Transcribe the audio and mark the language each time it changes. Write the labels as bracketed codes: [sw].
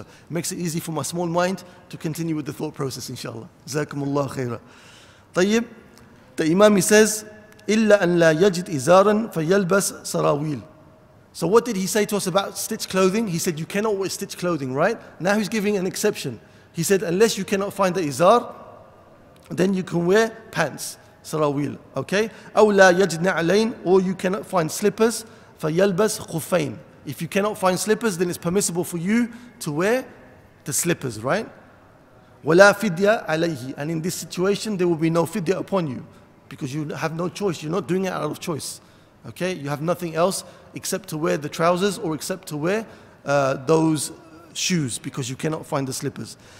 [en] It makes it easy for my small mind to continue with the thought process, inshallah. [ar] Jazakumullah khairah. [en] Tayyib, the Imam, he says, [ar] إِلَّا أَنْ لَا يَجِدْ إِزَارًا فَيَلْبَسْ سَرَاوِيلْ. [en] So what did he say to us about stitched clothing? He said, you cannot wear stitched clothing, right? Now he's giving an exception. He said, unless you cannot find the izar, then you can wear pants, sarawil, okay? [ar] أَوْ لَا يَجِدْ نَعْلَيْنْ, [en] or you cannot find slippers, [ar] فَيَلْبَسْ خُفَيْنْ. [en] If you cannot find slippers, then it's permissible for you to wear the slippers, right? [ar] وَلَا فِدْيَ عَلَيْهِ, [en] and in this situation, there will be no fidya upon you, because you have no choice, you're not doing it out of choice. Okay, you have nothing else except to wear the trousers or except to wear those shoes, because you cannot find the slippers.